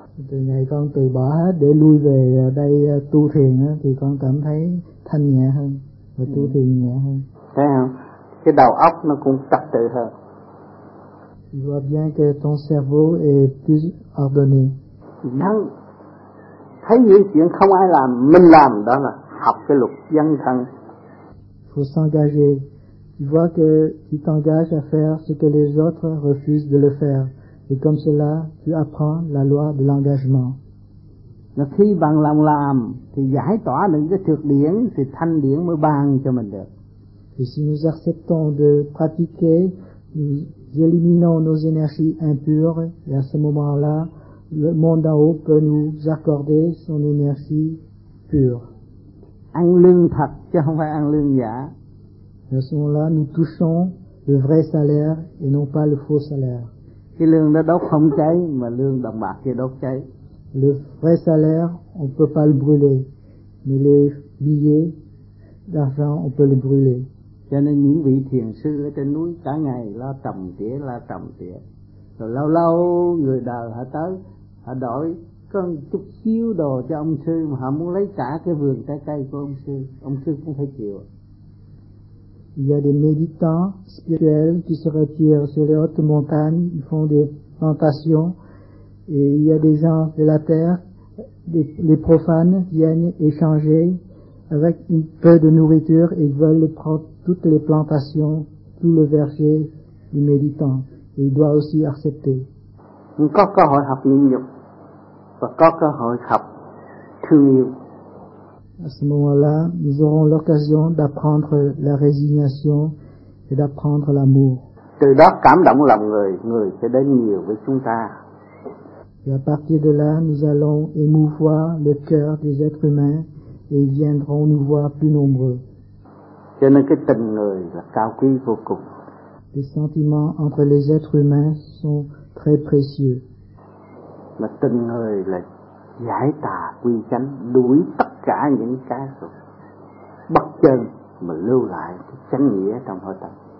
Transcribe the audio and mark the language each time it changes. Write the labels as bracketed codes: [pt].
[vi] Từ ngày con từ bỏ hết để lui về đây tu thiền thì con cảm thấy thanh nhẹ hơn và tu thiền nhẹ hơn. Thấy không? Cái đầu óc nó cũng trật tự hơn. [fr] Tu vois bien que ton cerveau est plus ordonné. [vi] Năng thấy những chuyện không ai làm mình làm, đó là học cái luật dân thân. [fr] Faut s'engager. Tu vois que tu t'engages à faire ce que les autres refusent de le faire. Et comme cela, tu apprends la loi de l'engagement. [vi] Là khi bằng lòng làm, thì giải tỏa được cái trược điển, thì thanh điển mới ban cho mình được. [fr] Et si nous acceptons de pratiquer, nous éliminons nos énergies impures, et à ce moment-là, le monde en haut peut nous accorder son énergie pure. [vi] Ăn lương thật, chứ không phải ăn lương giả. [fr] Et à ce moment-là, nous touchons le vrai salaire et non pas le faux salaire. [vi] Cái lương đó đốt không cháy mà lương đồng bạc kia đốt cháy. [fr] Le vrai salaire, on peut pas le brûler, mais les billets d'argent, on peut le brûler. [vi] Cho nên những vị thiền sư ở trên núi cả ngày lo trồng tỉa, lo trồng tỉa. Rồi lâu lâu người đời họ tới, họ đổi có chút xíu đồ cho ông sư mà họ muốn lấy cả cái vườn trái cây của ông sư. Ông sư cũng phải chịu. [fr] Il y a des méditants spirituels qui se retirent sur les hautes montagnes, ils font des plantations, et il y a des gens de la terre, les profanes viennent échanger avec un peu de nourriture et veulent prendre toutes les plantations, tout le verger du méditant, et il doit aussi accepter. On a [vi] cơ hội học nhịn nhục và có cơ hội học thương yêu. [fr] À ce moment-là, nous aurons l'occasion d'apprendre la résignation et d'apprendre l'amour. [vi] Từ đó cảm động lòng người, người sẽ đến nhiều với chúng ta. [fr] Et à partir de là, nous allons émouvoir le cœur des êtres humains et ils viendront nous voir plus nombreux. [vi] Cho nên cái tình người là cao quý vô cùng. [fr] Les sentiments entre les êtres humains sont très précieux. [vi] Mà tình người là giải tà quy chánh, đuổi tất cả những cái bất chân mà lưu lại cái chánh nghĩa trong hội tâm.